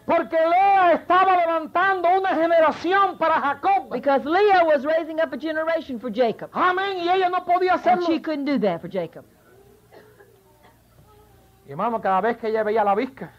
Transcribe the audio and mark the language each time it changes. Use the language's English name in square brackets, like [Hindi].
[Spanish] Porque Leah estaba levantando una generación para Jacob. [English] Because Leah was raising up a generation for Jacob. [Spanish] Amen. Y ella no podía hacerlo. [English] And she couldn't do that for Jacob. [Spanish] Y mamá, cada vez que ella veía la visca.